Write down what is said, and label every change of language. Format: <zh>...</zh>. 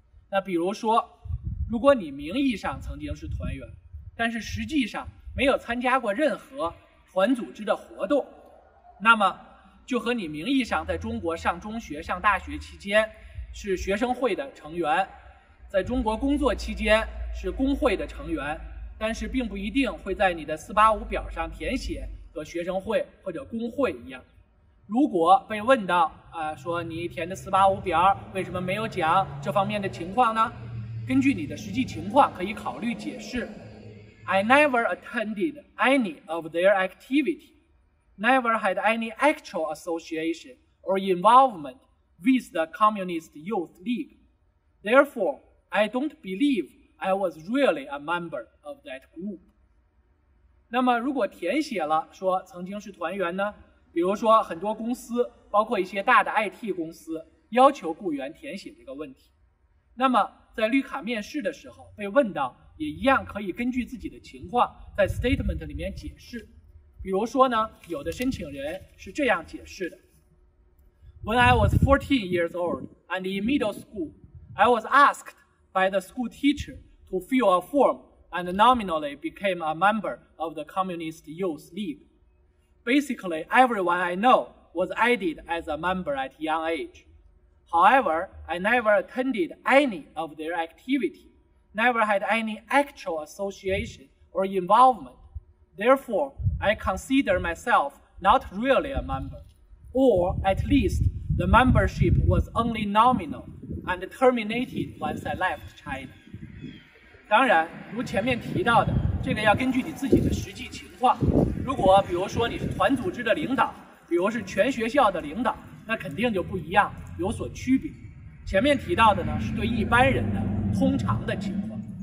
<zh>那比如说，如果你名义上曾经是团员，但是实际上没有参加过任何团组织的活动，那么就和你名义上在中国上中学上大学期间是学生会的成员，在中国工作期间是工会的成员，但是并不一定会在你的485表上填写和学生会或者工会一样。如果被问到说你填的485表为什么没有讲这方面的情况呢，根据你的实际情况可以考虑解释</zh> <en>I never attended any of their activity, never had any actual association or involvement with the Communist Youth League, therefore I don't believe I was really a member of that group。</en> <zh>那么如果填写了说曾经是团员呢，比如说很多公司包括一些大的 IT 公司要求雇员填写这个问题，那么在绿卡面试的时候被问到，也一样可以根据自己的情况在 statement 里面解释。比如说呢，有的申请人是这样解释的，</zh> <en>When I was 14 years old and in middle school, I was asked by the school teacher to fill a form and nominally became a member of the Communist Youth League. Basically, everyone I know was added as a member at young age. However, I never attended any of their activity, never had any actual association or involvement. Therefore, I consider myself not really a member, or at least the membership was only nominal and terminated once I left China.</en> <zh>当然，如前面提到的，这个要根据你自己的实际情况。如果比如说你是团组织的领导，比如是全学校的领导，那肯定就不一样，有所区别。前面提到的呢是对一般人的通常的情况。</zh>